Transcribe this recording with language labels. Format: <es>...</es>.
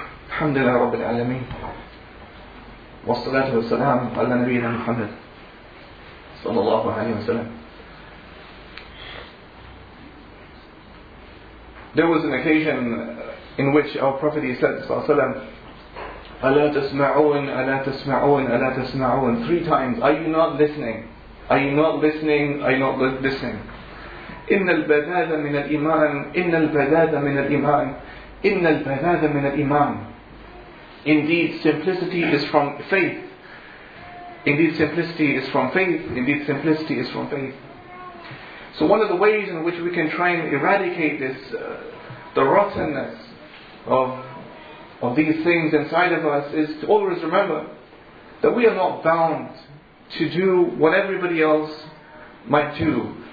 <ar>الحمد لله رب العالمين والصلاة والسلام على نبينا محمد صلى الله عليه وسلم.</ar> <en>There was an occasion in which our Prophet he said,</en> <ar>صلى الله عليه وسلم, ألا تسمعون</ar> <en>ألا تسمعون ألا تسمعون, three times, are you not listening? Are you not listening? Are you not listening?</en> <ar>إن البذاذ من الإيمان إن البذاذ من الإيمان إن البذاذ من الإيمان.</ar> <en>Indeed, simplicity is from faith. Indeed, simplicity is from faith. Indeed, simplicity is from faith. So one of the ways in which we can try and eradicate this, the rottenness of these things inside of us, is to always remember that we are not bound to do what everybody else might do.</en>